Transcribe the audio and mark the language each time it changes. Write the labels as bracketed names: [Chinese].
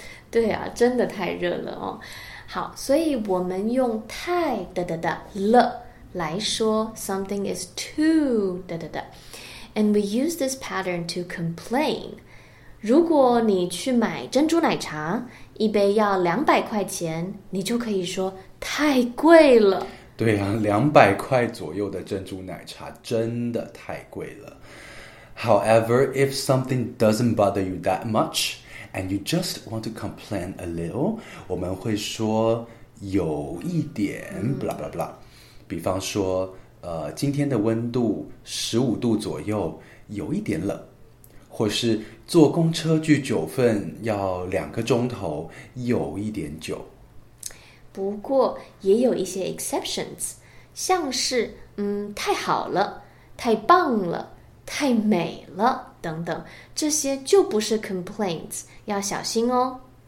[Chinese] 对啊，真的太热了哦。好，所以我们用太了来说 [English] something is too And we use this pattern to complain。 [Chinese] 如果你去买珍珠奶茶，一杯要200块钱，你就可以说太贵了。对啊，200块左右的珍珠奶茶真的太贵了。 [English] However, if something doesn't bother you that much, and you just want to complain a little, [Chinese] 我们会说有一点 [English] blah blah blah。 [Chinese] 比方说，今天的温度15度左右，有一点冷。或是坐公车去九份要两个钟头，有一点久。不过也有一些 exceptions， 像是太好了、太棒了、太美了等等，这些就不是 complaints， 要小心哦。